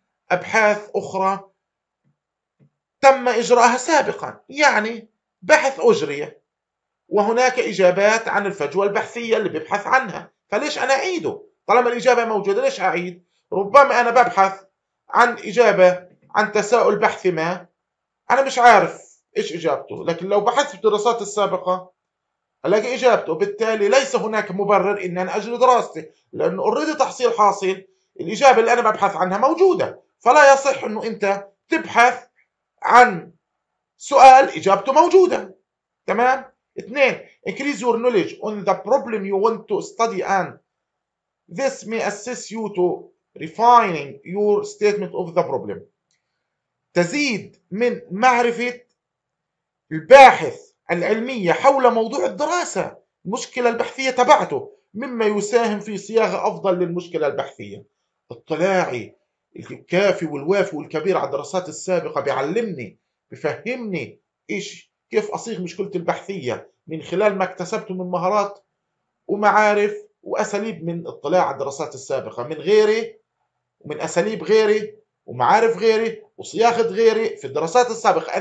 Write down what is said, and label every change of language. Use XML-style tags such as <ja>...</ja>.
<ar>أبحاث أخرى تم إجراءها سابقا، يعني بحث أجري وهناك إجابات عن الفجوة البحثية اللي ببحث عنها، فليش أنا أعيده؟ طالما الإجابة موجودة ليش أعيد؟ ربما أنا ببحث عن إجابة عن تساؤل بحثي ما أنا مش عارف إيش إجابته، لكن لو بحثت في الدراسات السابقة ألاقي إجابته، بالتالي ليس هناك مبرر إن أنا أجل دراستي، لأنه أريد تحصيل حاصل، الإجابة اللي أنا ببحث عنها موجودة، فلا يصح إنه أنت تبحث عن سؤال إجابته موجودة. تمام؟ اثنين،</ar> <en>increase your knowledge on the problem you want to study and this may assist you to refining your statement of the problem.</en> <ar>تزيد من معرفة الباحث العلمية حول موضوع الدراسة المشكلة البحثية تبعته مما يساهم في صياغة أفضل للمشكلة البحثية. اطلاعي الكافي والوافي والكبير على الدراسات السابقة بيعلمني، بفهمني إيش كيف أصيغ مشكلة البحثية من خلال ما اكتسبته من مهارات ومعارف وأساليب من اطلاع على الدراسات السابقة، من غيري ومن أساليب غيري ومعارف غيري وصياغة غيري في الدراسات السابقة.</ar>